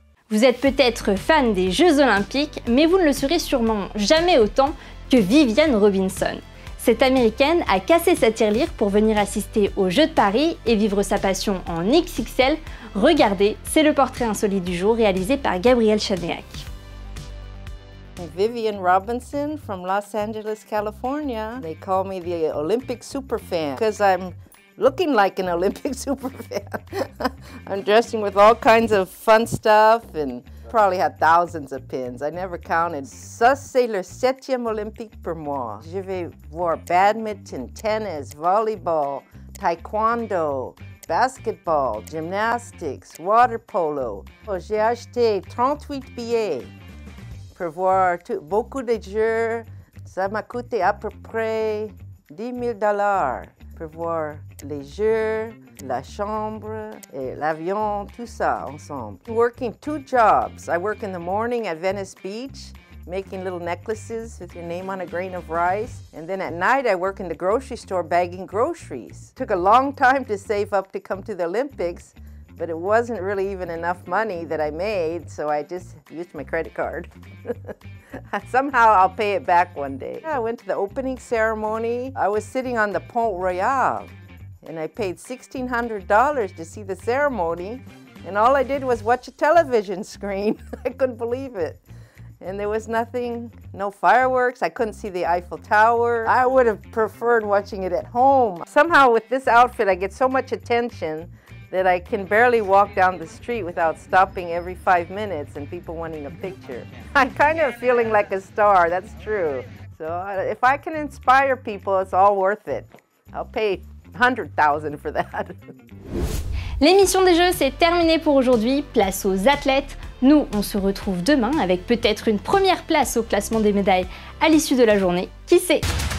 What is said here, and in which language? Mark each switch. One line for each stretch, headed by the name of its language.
French: Vous êtes peut-être fan des Jeux Olympiques, mais vous ne le serez sûrement jamais autant que Vivienne Robinson. Cette Américaine a cassé sa tirelire pour venir assister aux Jeux de Paris et vivre sa passion en XXL. Regardez, c'est le portrait insolite du jour réalisé par Gabriel Chaneac.
English: Vivienne Robinson from Los Angeles, California. They call me the Olympic superfan because I'm looking like an Olympic superfan. I'm dressing with all kinds of fun stuff and probably had thousands of pins. I never counted.
French: Ça, c'est le septième Olympique pour moi. Je vais voir badminton, tennis, volleyball, taekwondo, basketball,
English: gymnastics, water polo.
French: Oh, j'ai acheté 38 billets. Pour voir beaucoup de jeux, ça m'a coûté à peu près 10 000 $. Pour voir les jeux, la chambre, et l'avion, tout ça ensemble.
English: Working two jobs. I work in the morning at Venice Beach making little necklaces with your name on a grain of rice. And then at night, I work in the grocery store bagging groceries. Took a long time to save up to come to the Olympics, but it wasn't really even enough money that I made, so I just used my credit card. Somehow I'll pay it back one day. I went to the opening ceremony. I was sitting on the Pont Royal, and I paid $1,600 to see the ceremony, and all I did was watch a television screen. I couldn't believe it. And there was nothing, no fireworks. I couldn't see the Eiffel Tower. I would have preferred watching it at home. Somehow with this outfit, I get so much attention that I can barely walk down the street without stopping every 5 minutes and people wanting a picture. I'm kind of feeling like a star, that's true. So if I can inspire people, it's all worth it. I'll pay $100,000 for that.
French: L'émission des Jeux, c'est terminé pour aujourd'hui. Place aux athlètes. Nous, on se retrouve demain avec peut-être une première place au classement des médailles à l'issue de la journée. Qui sait ?